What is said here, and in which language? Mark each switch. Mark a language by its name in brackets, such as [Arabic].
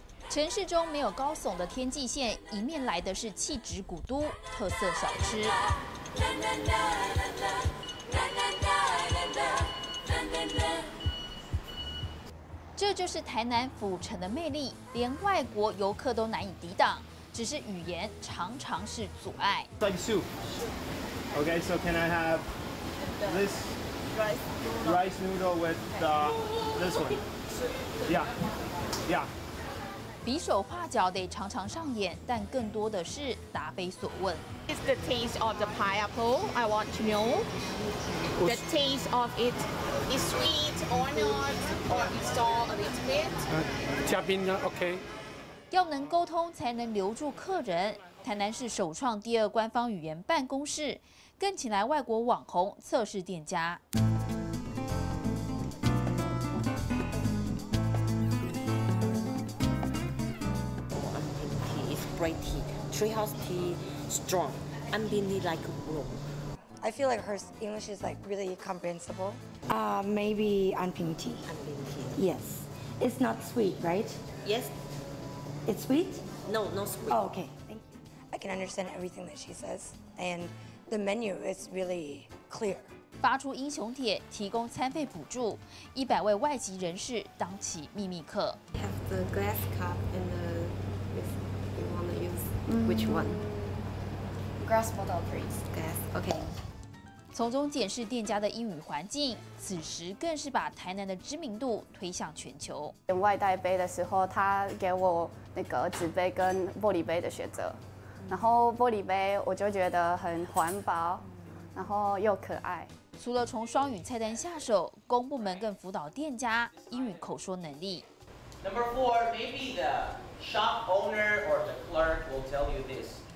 [Chinese] 城市中没有高耸的天际线，迎面来的是气质古都特色小吃。这就是台南府城的魅力，连外国游客都难以抵挡，只是语言常常是阻碍。 [English] Like soup. Okay, so can I have this rice noodle with this one? Yeah, yeah. [Chinese] 比手画脚得常常上演，但更多的是答非所问。 [English] It's the taste of the pineapple. I want to know the taste of it. Is sweet or not? Or is salt a little bit? [Chinese] 嘉宾呢 ？OK。要能沟通，才能留住客人。台南市首创第二官方语言办公室，更请来外国网红测试店家。 [English] Great tea, treehouse tea, strong, and really like warm. I feel like her English is like really comprehensible. Maybe Anping tea. Anping tea. Yes. It's not sweet, right? Yes. It's sweet? No, not sweet. Oh, okay. Thank you. I can understand everything that she says, and the menu is really clear. [Chinese] 发出英雄帖，提供餐费补助，一百位外籍人士当起秘密客。 [English] Have the glass cup and the you want to use which one? Glass bottle, please. Glass. Okay. [Chinese] 从中检视店家的英语环境，此时更是把台南的知名度推向全球。点外带杯的时候，他给我那个纸杯跟玻璃杯的选择，然后玻璃杯我就觉得很环保，然后又可爱。除了从双语菜单下手，公部门更辅导店家英语口说能力。 [English] Number four, maybe the shop owner or the clerk will tell you this.